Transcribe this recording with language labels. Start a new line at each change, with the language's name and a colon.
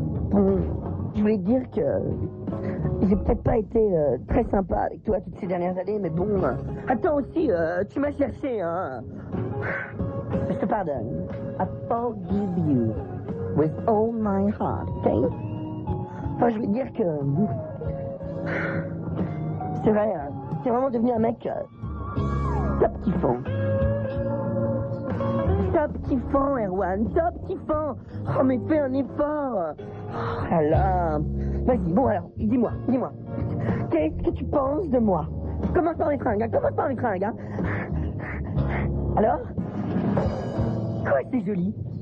French: Bon, je voulais dire que j'ai peut-être pas été très sympa avec toi toutes ces dernières années, mais bon. Attends aussi, tu m'as cherché, hein. Je te pardonne.
English: I forgive you with all my heart, okay?
French: Enfin, je veux dire que... C'est vrai, hein. T'es vraiment devenu un mec... Top kiffant. Top kiffant, Erwan, top kiffant. Oh, mais fais un effort. Oh là là. Vas-y, bon alors, dis-moi, dis-moi. Qu'est-ce que tu penses de moi? Commence par les fringues, hein. Commence par les fringues, hein. Alors? Quoi, c'est joli?